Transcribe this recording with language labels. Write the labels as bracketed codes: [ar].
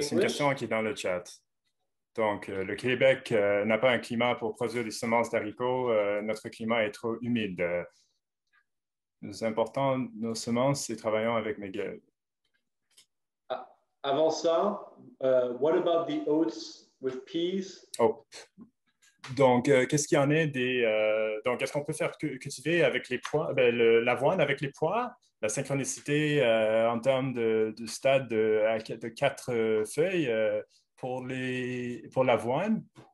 [fr] C'est une question qui est dans le chat. Donc, le Québec n'a pas un climat pour produire des semences d'haricots. Notre climat est trop humide. Nous importons nos semences et travaillons avec McGill. Avant ça, [en] what about the oats with peas? Oh. [fr] Donc, qu'est-ce qu'il y en est des. Donc, est-ce qu'on peut faire cultiver avec les pois, ben, l'avoine avec les pois? La synchronicité en termes de stade de quatre feuilles pour l'avoine.